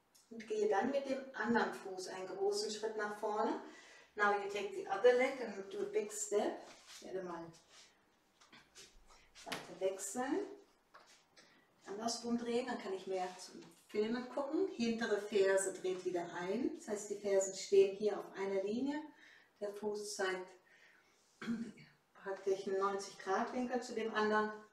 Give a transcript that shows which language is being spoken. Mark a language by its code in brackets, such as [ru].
[de] Und gehe dann mit dem anderen Fuß einen großen Schritt nach vorne. [en] Now you take the other leg and do a big step. [de] Ich werde mal Seite wechseln. Andersrum drehen, dann kann ich mehr zum Filmen gucken. Hintere Ferse dreht wieder ein. Das heißt, die Fersen stehen hier auf einer Linie. Der Fuß zeigt praktisch einen 90-Grad-Winkel zu dem anderen.